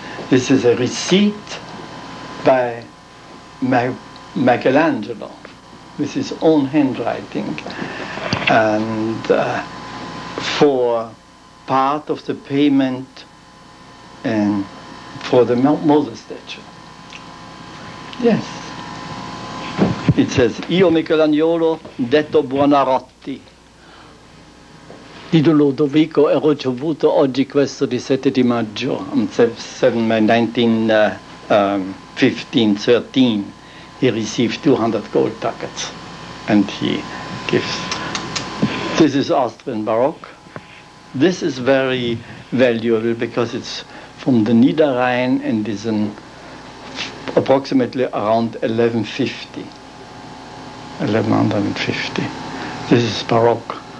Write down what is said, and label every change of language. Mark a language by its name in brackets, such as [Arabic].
[English] This is a receipt by Michelangelo, with his own handwriting, and for part of the payment and for the Moses statue. Yes. It says, [Italian] Io Michelangelo detto Buonarroti, di Ludovico, e ricevuto oggi questo di 7 di maggio, 1513, [English] he received 200 gold ducats, and he gives. This is Austrian Baroque. This is very valuable because it's from the Niederrhein and is an approximately around 1150. 1150. This is Baroque.